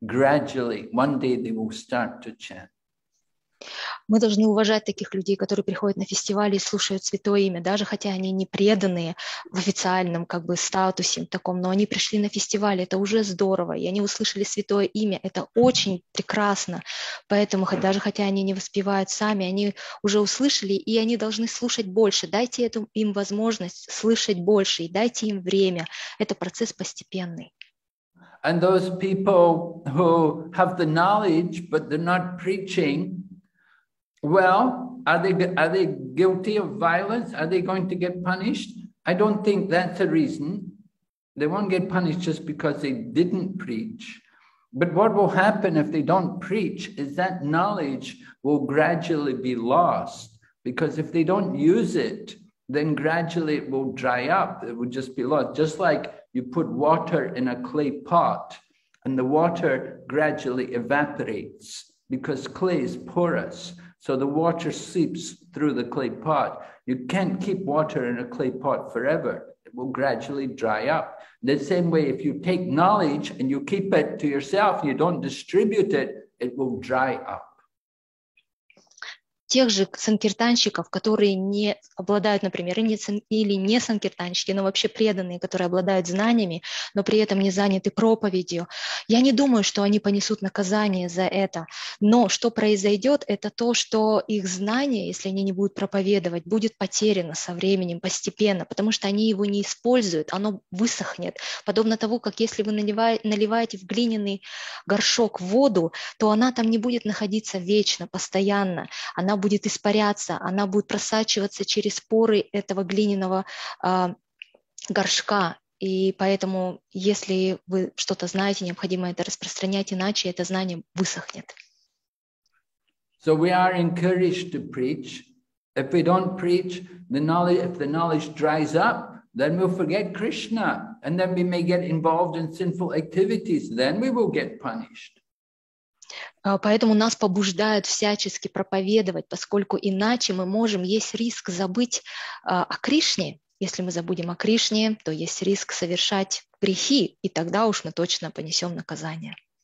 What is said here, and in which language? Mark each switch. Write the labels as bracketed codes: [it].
[en] Gradually, one day they will start to chant. [ru] Мы должны уважать таких людей, которые приходят на фестивали и слушают святое имя, даже хотя они не преданные в официальном как бы статусе таком, но они пришли на фестиваль, это уже здорово, и они услышали святое имя, это очень прекрасно, поэтому даже хотя они не воспевают сами, они уже услышали, и они должны слушать больше, дайте им возможность слышать больше, и дайте им время, это процесс постепенный. [en] And those people who have the knowledge, but they're not preaching, well, are they guilty of violence? Are they going to get punished? I don't think that's a reason. They won't get punished just because they didn't preach. But what will happen if they don't preach is that knowledge will gradually be lost. Because if they don't use it, then gradually it will dry up. It will just be lost. Just like you put water in a clay pot and the water gradually evaporates because clay is porous. So the water seeps through the clay pot. You can't keep water in a clay pot forever. It will gradually dry up. The same way, if you take knowledge and you keep it to yourself, you don't distribute it, it will dry up. [ru] Тех же санкиртанщиков, которые не обладают, например, или не санкиртанщики, но вообще преданные, которые обладают знаниями, но при этом не заняты проповедью, я не думаю, что они понесут наказание за это. Но что произойдет, это то, что их знание, если они не будут проповедовать, будет потеряно со временем, постепенно, потому что они его не используют, оно высохнет. Подобно того, как если вы наливаете в глиняный горшок воду, то она там не будет находиться вечно, постоянно. Она будет испаряться, она будет просачиваться через поры этого глиняного горшка. И поэтому, если вы что-то знаете, необходимо это распространять, иначе это знание высохнет. [en] So we are encouraged to preach. If we don't preach, if the knowledge dries up, then we'll forget Krishna. And then we may get involved in sinful activities. Then we will get punished. [ru] Поэтому нас побуждают всячески проповедовать, поскольку иначе мы можем, есть риск забыть о Кришне. Если мы забудем о Кришне, то есть риск совершать грехи, и тогда уж мы точно понесем наказание.